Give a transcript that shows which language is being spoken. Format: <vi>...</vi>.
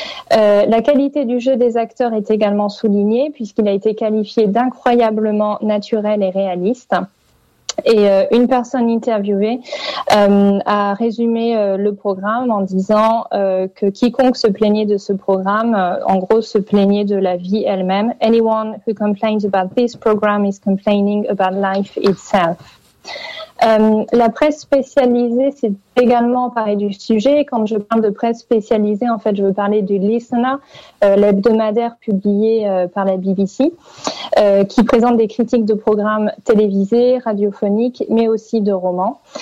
<fr>La qualité du jeu des acteurs est également soulignée, puisqu'il a été qualifié d'incroyablement naturel et réaliste. Et une personne interviewée a résumé le programme en disant que quiconque se plaignait de ce programme, en gros, se plaignait de la vie elle-même.</fr> <en>Anyone who complains about this program is complaining about life itself.</en> <fr>La presse spécialisée s'est également parlé du sujet. Quand je parle de presse spécialisée, en fait, je veux parler du Listener, l'hebdomadaire publié par la BBC, qui présente des critiques de programmes télévisés, radiophoniques, mais aussi de romans.</fr>